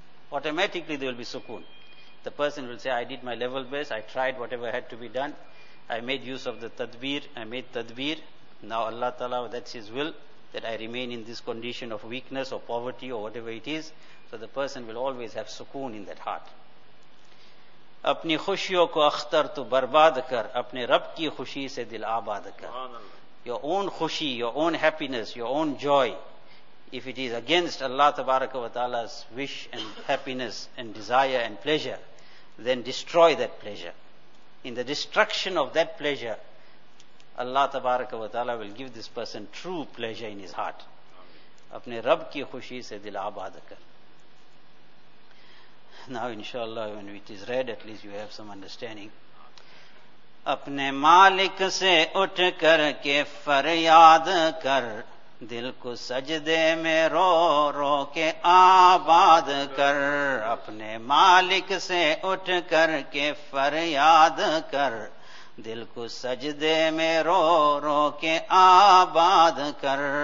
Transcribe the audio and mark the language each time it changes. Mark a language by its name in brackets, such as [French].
[English] Automatically there will be sukoon. The person will say, I did my level best, I tried whatever had to be done, I made use of the tadbir, I made tadbir. Now Allah Ta'ala, that's His will, that I remain in this condition of weakness or poverty or whatever it is. So the person will always have sukoon in that heart. [Urdu] اپنی خوشیوں کو اختر تو برباد کر اپنے رب کی خوشی سے دل آباد کر. [English] Your own خوشی, your own happiness, your own joy, if it is against Allah تبارک و تعالی's wish and happiness and desire and pleasure, then destroy that pleasure. In the destruction of that pleasure, Allah تبارک و تعالی will give this person true pleasure in his heart. [Urdu] اپنے رب کی خوشی سے دل آباد کر. [English] Now inshallah, when it is read, at least you have some understanding. [Urdu] اپنے مالک سے اٹھ کر کے فریاد کر دل کو سجدے میں رو رو کے آباد کر. اپنے مالک سے اٹھ کر کے فریاد کر دل کو سجدے میں رو رو کے آباد کر.